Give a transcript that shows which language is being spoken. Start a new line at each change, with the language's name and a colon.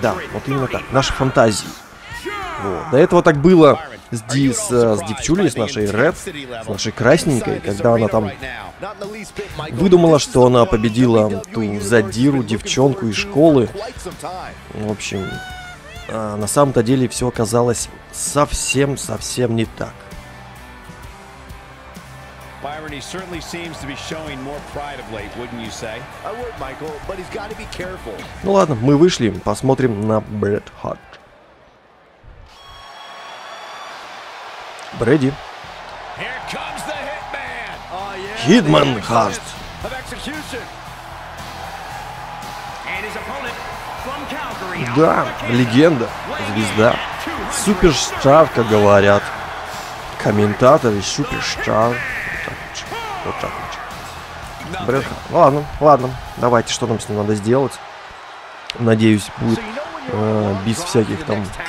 Russian: Да, вот именно так, наши фантазии. Вот. До этого так было с девчулей, с нашей Ред, с нашей красненькой, когда она там выдумала, что она победила ту задиру, девчонку из школы. В общем, на самом-то деле все оказалось совсем-совсем не так.
English: Byron, he certainly seems to be showing more pride of late, wouldn't you say? I would, Michael, but he's got to be careful.
Russian: Ну ладно, мы вышли, посмотрим на Бретт Харт. Бредди.
English: Here comes the Hitman. Oh, yeah, Hitman Hart. Of execution. And his opponent from Calgary.
Russian: Да, легенда, звезда, суперстар, как говорят комментаторы, суперстар. Вот так вот. Бретт Харт. Ладно, ладно. Давайте, что нам с ним надо сделать. Надеюсь, будет без всяких там.